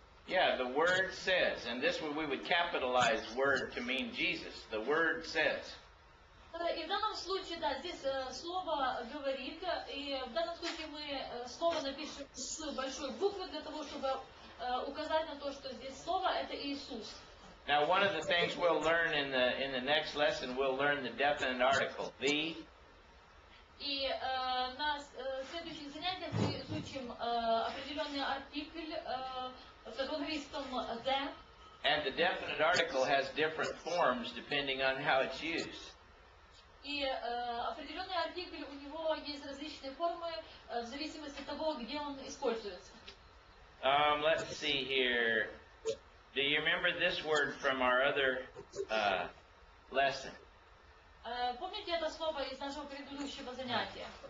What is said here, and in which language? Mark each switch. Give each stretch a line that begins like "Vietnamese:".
English: Yeah, the word says, and this one we would capitalize word to mean Jesus. The word says.
Russian: И в данном случае, да, здесь слово говорит, и в данном случае мы слово напишем с большой буквы для того, чтобы указать на то, что здесь слово это Иисус.
English: Now, one of the things we'll learn in the next lesson, we'll learn the definite article, the.
Russian: И на следующих занятиях мы изучим определенный артикль в английском the.
English: And the definite article has different forms depending on how it's used.
Russian: И определенный артикль у него есть различные формы в зависимости от того, где он используется.
English: Let's see here. Do you remember this word from our other lesson?
Russian: Помните это слово из нашего предыдущего занятия?